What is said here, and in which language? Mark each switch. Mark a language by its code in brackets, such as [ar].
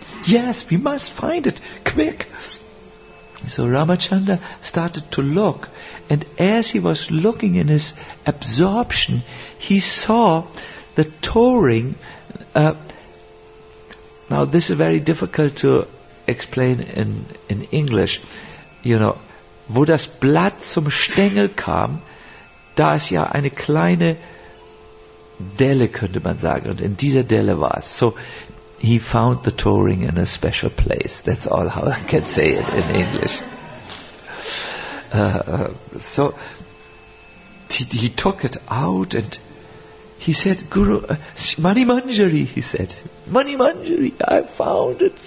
[en] Yes, we must find it, quick. So Ramachandra started to look, and as he was looking in his absorption, he saw the toe ring. Now this is very difficult to explain in English. [de] You know, wo das Blatt zum Stängel kam, da ist ja eine kleine Delle, könnte man sagen, und in dieser Delle war es. [en] So, he found the toe ring in a special place. That's all how I can say it in English. So he took it out and He said, Guru, Mani Manjari, he said. Mani Manjari, I found it.